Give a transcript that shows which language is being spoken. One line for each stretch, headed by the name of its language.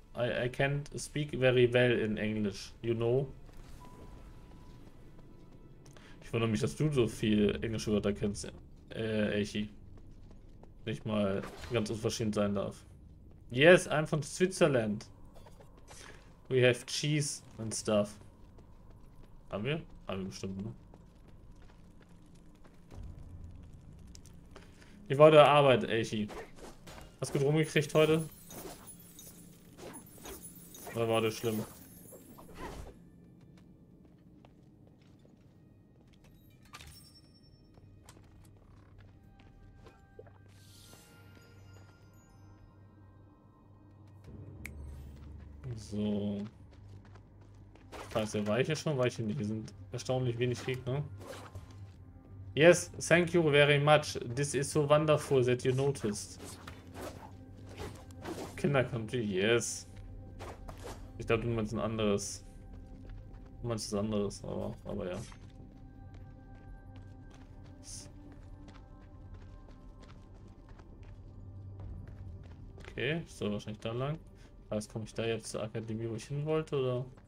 English: I can't speak very well in English, you know.
German: Ich wundere mich, dass du so viel englische Wörter kennst, Eichi. Nicht mal ganz unverschämt sein darf.
English: Yes, I'm from Switzerland. We have cheese and stuff.
German: Haben wir? Haben wir bestimmt, ne? Ich wollte Arbeit, Eichi. Hast du gut rumgekriegt heute? Oder war das schlimm? So. Falls er war ich ja schon, war ich hier nicht. Hier sind erstaunlich wenig Gegner.
English: Yes, thank you very much. This is so wonderful that you noticed. Kinder-Country, yes.
German: Ich glaube, du meinst ein anderes. Du meinst was anderes, aber ja. Okay, so wahrscheinlich da lang. Also komme ich da jetzt zur Akademie, wo ich hin wollte, oder?